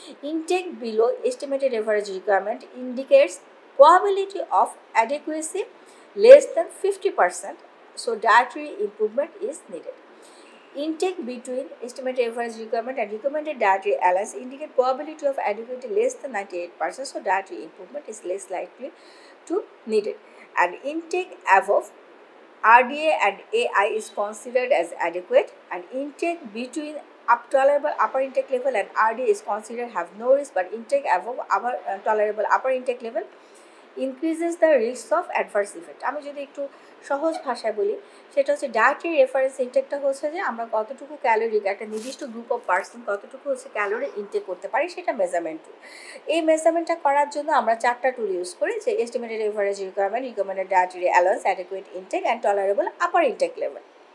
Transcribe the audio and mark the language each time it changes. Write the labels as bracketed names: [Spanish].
[English] Intake below estimated average requirement indicates probability of adequacy less than 50%, so dietary improvement is needed. Intake between estimated average requirement and recommended dietary allowance indicate probability of adequacy less than 98%, so dietary improvement is less likely to needed. And intake above RDA and AI is considered as adequate and intake between up tolerable upper intake level and RDA is considered have no risk, but intake above tolerable upper intake level increases the risk of adverse effect. [Bangla] আমি যদি একটু সহজ ভাষায় বলি, সেটা হচ্ছে dietary reference ইনটেকটা হচ্ছে যে আমরা কতটুকু ক্যালোরি, একটা নির্দিষ্ট গ্রুপ অফ পার্সন কতটুকু হচ্ছে ক্যালোরি ইনটেক করতে পারি সেটা মেজারমেন্ট টুল। এই মেজারমেন্টটা করার জন্য আমরা চারটা টুল ইউজ করি, যে estimated reference requirement, recommended dietary allowance, adequate intact and tolerable upper intact level.